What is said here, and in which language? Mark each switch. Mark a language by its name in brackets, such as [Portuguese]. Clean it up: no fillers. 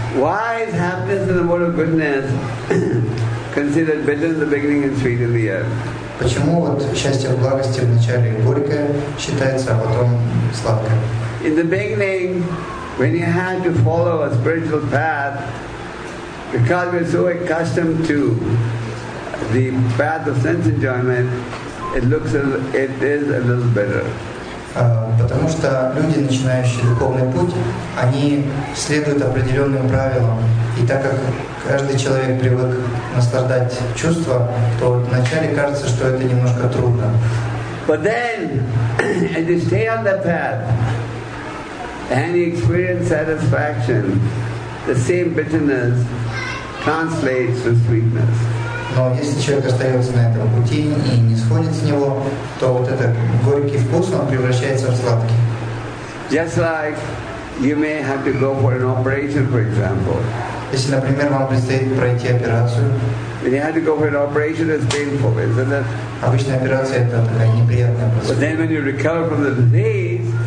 [English] Why is happiness in the mode of goodness considered bitter in the beginning and sweet in the end? [Russian] Почему вот счастье в благости вначале горькое считается, а потом сладкое? [English] In the beginning, when you had to follow a spiritual path, because we're so accustomed to the path of sense enjoyment, it looks as it is a little bitter. [Russian] Потому что люди, начинающие духовный путь, они следуют определенным правилам. И так как каждый человек привык наслаждать чувства, то вначале кажется, что это немножко трудно. [English] But then, as you stay on the path, and you experience satisfaction, the same bitterness translates to sweetness. [Russian] Но если человек остается на этом пути и не сходит с него, то вот этот горький вкус, он превращается в сладкий. [English] Just like you may have to go for an operation, for example. [Russian] Если, например, вам предстоит пройти операцию, [English] when you have to go for an operation, it's painful, isn't it? [Russian] Обычная операция – это такая неприятная процедура. [English] But then when you recover from the disease,